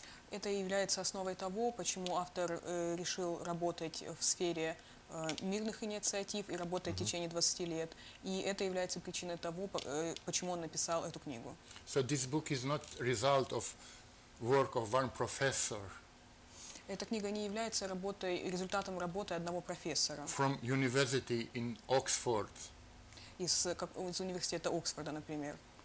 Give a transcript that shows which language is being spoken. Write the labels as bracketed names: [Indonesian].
[Russian] Это является основой того, почему автор решил работать в сфере мирных инициатив и работать в течение 20 лет. И это является причиной того, почему он написал эту книгу. [English] So this book is not result of work of one professor. [Russian] Эта книга не является результатом работы одного профессора. [English] From university in Oxford. [Russian] Из университета Оксфорда, например.